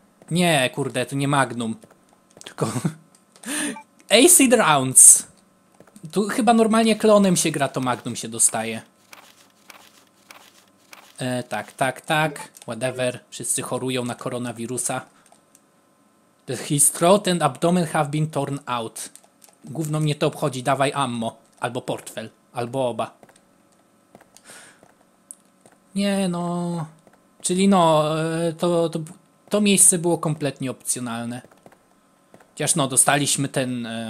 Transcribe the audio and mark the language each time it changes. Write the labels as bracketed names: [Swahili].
[Polish] Nie, kurde, to nie Magnum. Tylko... Acid Rounds. Tu chyba normalnie klonem się gra, to Magnum się dostaje. Tak. Whatever, wszyscy chorują na koronawirusa. [English] His throat and abdomen have been torn out. [Polish] Gówno mnie to obchodzi, dawaj ammo. Albo portfel, albo oba. Nie no... Czyli no, to miejsce było kompletnie opcjonalne. Chociaż no, dostaliśmy ten...